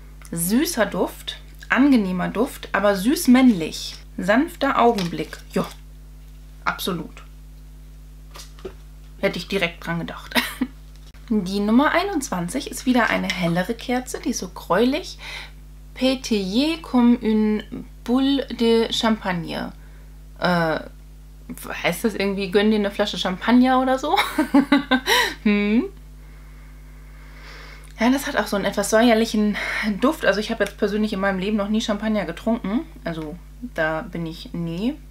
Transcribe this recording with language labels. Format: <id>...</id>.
<de>Süßer Duft, angenehmer Duft, aber süß-männlich. Sanfter Augenblick. Ja, absolut. Hätte ich direkt dran gedacht. Die Nummer 21 ist wieder eine hellere Kerze, die ist so gräulich.</de> <fr>Pétiller comme une boule de champagne.</fr> <de>Heißt das irgendwie, gönn dir eine Flasche Champagner oder so? Ja, das hat auch so einen etwas säuerlichen Duft. Also ich habe jetzt persönlich in meinem Leben noch nie Champagner getrunken. Also da bin ich nie.</de>